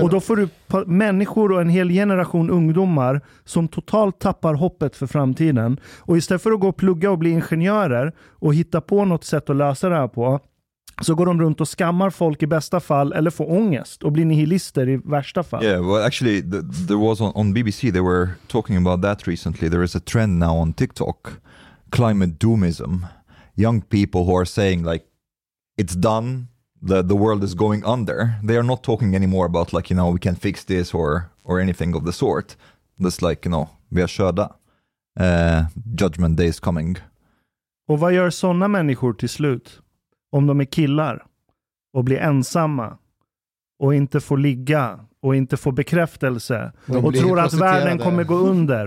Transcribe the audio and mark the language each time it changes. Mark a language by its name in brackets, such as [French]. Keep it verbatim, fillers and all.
[Swedish] Och då får du pa- människor och en hel generation ungdomar som totalt tappar hoppet för framtiden. Och istället för att gå och plugga och bli ingenjörer och hitta på något sätt att lösa det här på, så går de runt och skammar folk i bästa fall, eller får ångest och blir nihilister i värsta fall. [English] Yeah, well actually the, there was on, on B B C they were talking about that recently. There is a trend now on TikTok, climate doomism. Young people who are saying like it's done. The the world is going under. They are not talking anymore about like, you know, we can fix this or or anything of the sort. That's like, you know, [Swedish] vi är körda. [English] Uh, judgment day is coming. [Swedish] Och vad gör sådana människor till slut? Om de är killar och blir ensamma och inte får ligga och inte får bekräftelse de och tror att världen kommer gå under.